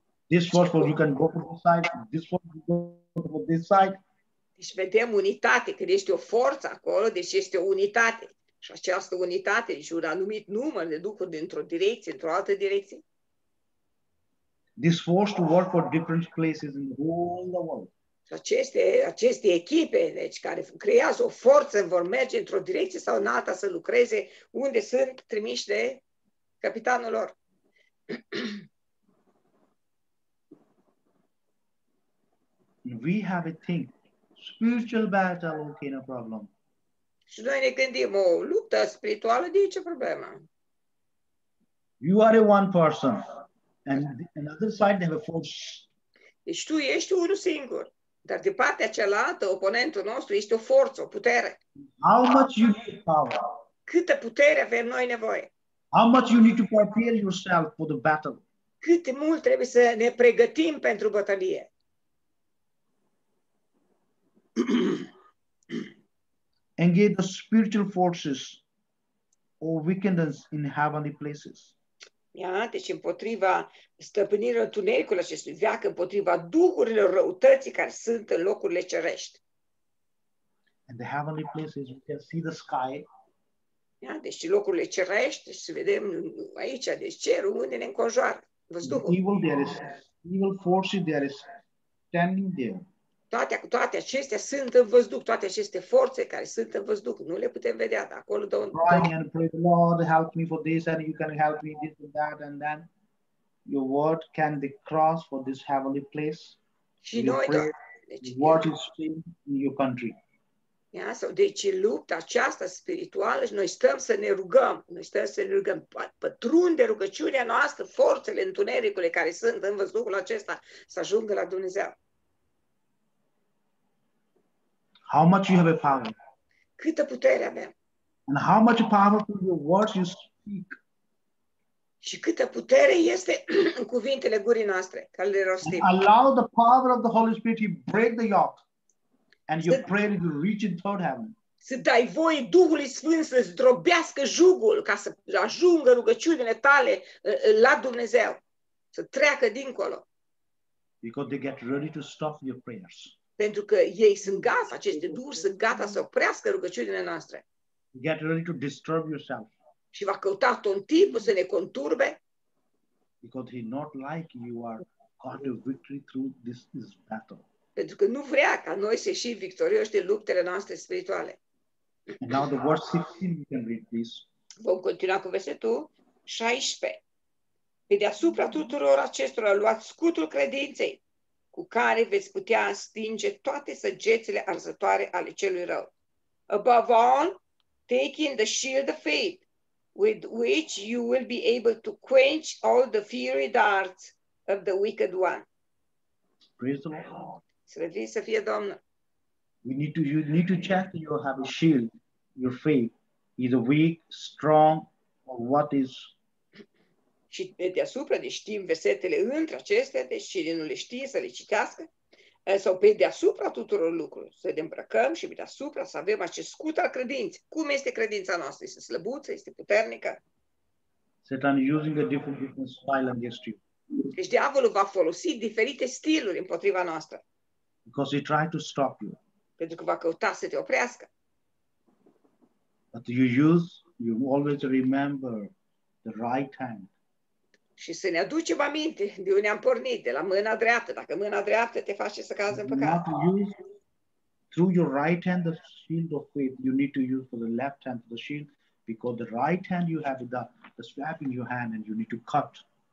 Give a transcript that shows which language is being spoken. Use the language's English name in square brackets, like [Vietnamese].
[English] This force for you can go to this side, this force you go to this side. [Romanian] Deci vedem unitate, că este o forță acolo, deci este o unitate. Și această unitate, deci un anumit număr de duhuri dintr-o direcție, într-o altă direcție. [English] This force to work for different places in the whole world. [Romanian] Aceste echipe, deci, care creează o forță, vor merge într-o direcție sau în alta să lucreze unde sunt trimiși de capitanul lor. [English] We have a thing. Spiritual battle, okay, no problem. [Romanian] Și noi ne gândim, o luptă spirituală, de ce problemă? [English] You are a one person. And on the other side, they have a force. [Romanian] Deci tu ești unul singur. Dar de partea cealaltă, oponentul nostru este o forță, o putere. [English] How much you need power? [Romanian] Câtă putere avem noi nevoie? [English] How much you need to prepare yourself for the battle? [Romanian] Cât mult trebuie să ne pregătim pentru bătălie? [English] Engage the spiritual forces or wickedness in heavenly places. [Romanian] Deci împotriva stăpânirii întunericului acestui veac, împotriva duhurilor răutății care sunt în locurile cerești. [English] And the heavenly places, we can see the sky. [Romanian] Deci locurile cerești, deci vedem aici, deci cerul unde ne înconjoară, văzduhul. [English] Evil, there is, evil forces there is standing there. [Romanian] Toate acestea sunt în văzduh, toate aceste forțe care sunt în văzduh, nu le putem vedea, dar acolo dă un... [English] Crying and pray, Lord, help me for this and you can help me this and that and then your word can be crossed for this heavenly place. [Romanian] Și noi, [English] what is still in your country. [Romanian] Deci lupta aceasta spirituală și noi stăm să ne rugăm, pătrunde rugăciunea noastră, forțele întunericului care sunt în văzduhul acesta să ajungă la Dumnezeu. [English] How much you have a power? [Romanian] Câtă putere avem? [English] And how much power from your words you speak? [Romanian] Și câtă putere este în cuvintele gurii noastre, care le rostim. [English] And allow the power of the Holy Spirit to break the yoke. And your prayer will reach in third heaven. [Romanian] Să dai voie Duhului Sfânt să zdrobească jugul ca să ajungă rugăciunile tale la Dumnezeu. Să treacă dincolo. [English] Because they get ready to stop your prayers. [Romanian] Pentru că ei sunt gata, aceste duhuri sunt gata să oprească rugăciunile noastre. [English] Get ready to disturb yourself. [Romanian] Și va căuta un timp să ne conturbe. [English] Because he not like you are got a victory through this battle. [Romanian] Pentru că nu vrea ca noi să ieșim victorioși de luptele noastre spirituale. [English] And now the verse 16, you can read this. [Romanian] Vom continua cu versetul 16. Pe deasupra tuturor acestora luați scutul credinței, cu care veți putea stinge toate săgețile arzătoare ale celui rău. [English] Above all, taking the shield of faith, with which you will be able to quench all the fiery darts of the wicked one. Praise the Lord. [Romanian] Slăviți să fie Domnul. [English] You need to check you have a shield, your faith. Is it weak, strong, or what is? [Romanian] Și deasupra, deci știm versetele între acestea, deci cine nu le știe să le citească, sau pe deasupra tuturor lucrurilor, să ne îmbrăcăm și pe deasupra să avem acest scut al credinței. Cum este credința noastră? Este slăbuță? Este puternică? [English] Satan using a different style against you. [Romanian] Deci diavolul va folosi diferite stiluri împotriva noastră. [English] Because he tried to stop you. [Romanian] Pentru că va căuta să te oprească. [English] But you use, you always remember the right hand. [Romanian] Și să ne aducem aminte de unde am pornit, de la mâna dreaptă. Dacă mâna dreaptă te face să cazi în păcat. [English] Through your right hand the shield of faith, you need to use for the left hand the shield, because the right hand you have the strap in your hand and you need to cut.